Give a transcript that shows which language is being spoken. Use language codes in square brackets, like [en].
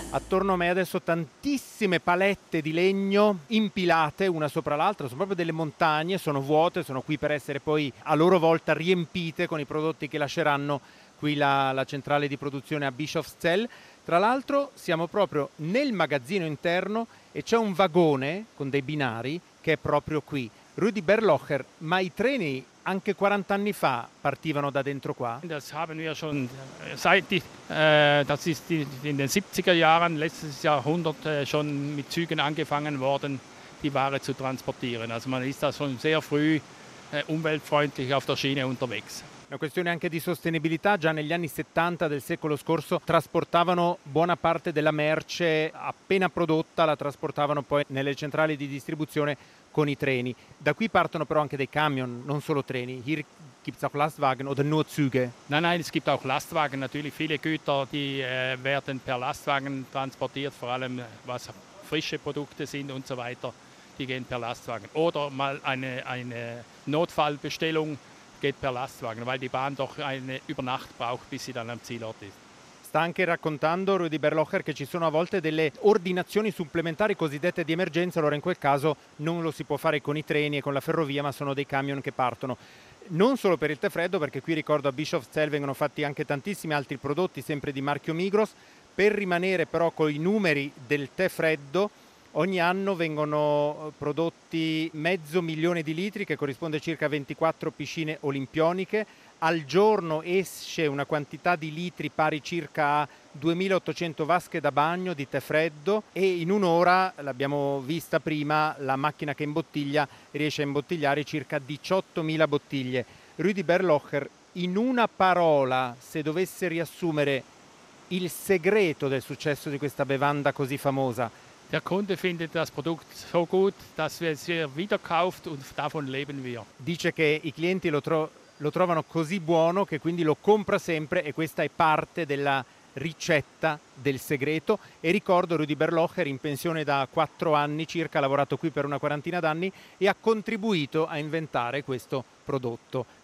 [it] Attorno a me adesso tantissime palette di legno impilate una sopra l'altra, sono proprio delle montagne, sono vuote, sono qui per essere poi a loro volta riempite con i prodotti che lasceranno qui la centrale di produzione a Bischofszell. Tra l'altro siamo proprio nel magazzino interno e c'è un vagone con dei binari che è proprio qui. Rudi Berlocher, ma i treni anche 40 anni fa partivano da dentro qua? [de] Das haben wir schon seit das ist in den 70er Jahren, letztes Jahrhundert schon mit Zügen angefangen worden, die Ware zu transportieren. Also man ist da schon sehr früh umweltfreundlich auf der Schiene unterwegs. [it] Una questione anche di sostenibilità, già negli anni 70 del secolo scorso trasportavano buona parte della merce appena prodotta, la trasportavano poi nelle centrali di distribuzione con i treni. Da qui partono però anche dei camion, non solo treni. [de] Hier gibt's auch Lastwagen oder nur Züge? Nein, nein, es gibt auch Lastwagen, natürlich viele Güter, die werden per Lastwagen transportiert, vor allem was frische Produkte sind und so weiter, die gehen per Lastwagen. Oder mal eine Notfallbestellung geht per Lastwagen, weil die Bahn doch eine Übernacht braucht, bis sie dann am Zielort ist. [it] Sta anche raccontando Rudi Berlocher che ci sono a volte delle ordinazioni supplementari cosiddette di emergenza, allora in quel caso non lo si può fare con i treni e con la ferrovia, ma sono dei camion che partono. Non solo per il tè freddo, perché qui ricordo a Bischofszell vengono fatti anche tantissimi altri prodotti, sempre di marchio Migros. Per rimanere però con i numeri del tè freddo, ogni anno vengono prodotti 500.000 di litri, che corrisponde a circa 24 piscine olimpioniche. Al giorno esce una quantità di litri pari circa a 2.800 vasche da bagno di tè freddo e in un'ora, l'abbiamo vista prima, la macchina che imbottiglia riesce a imbottigliare circa 18.000 bottiglie. Rudi Berlocher, in una parola, se dovesse riassumere il segreto del successo di questa bevanda così famosa... [de] Der Kunde findet das Produkt so gut, dass wir es wieder kauft und davon leben wir. [it] Dice che i clienti lo trovano così buono che quindi lo compra sempre e questa è parte della ricetta del segreto. E ricordo Rudi Berlocher, in pensione da 4 anni circa, ha lavorato qui per una quarantina d'anni e ha contribuito a inventare questo prodotto.